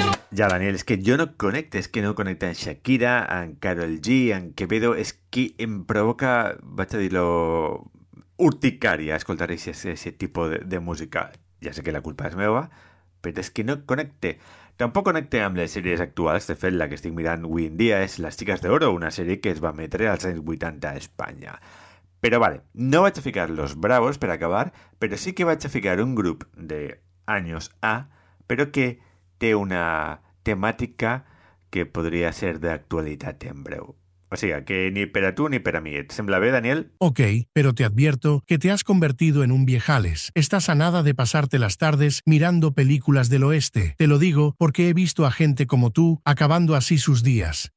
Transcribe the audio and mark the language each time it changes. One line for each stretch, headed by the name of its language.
Spanish: Ya, Daniel, es que yo no conecte. Es que no conecte en Shakira, en Karol G, en Quevedo.
Catalan: Es que em provoca, vaig a dirlo, urticaria, escoltar
Spanish: ese tipo de música. Ya sé que la culpa es meva, pero es que no conecte.
Catalan: Tampoc connecte amb les sèries actuals. De fet, la que estic mirant avui en dia és Les Chicas d'Oro, una sèrie que es va emetre als anys 80 a Espanya. Però, vale, no vaig a ficar Los Bravos per acabar, però sí que vaig a ficar un grup de anys A, però que té una temàtica que podria ser d'actualitat en breu. O sigui, que ni per a tu ni per a mi. Et sembla bé, Daniel?
Spanish: Ok, pero te advierto que te has convertido en un viejales. Estás a nada de pasarte las tardes mirando películas del oeste. Te lo digo porque he visto a gente como tú acabando así sus días.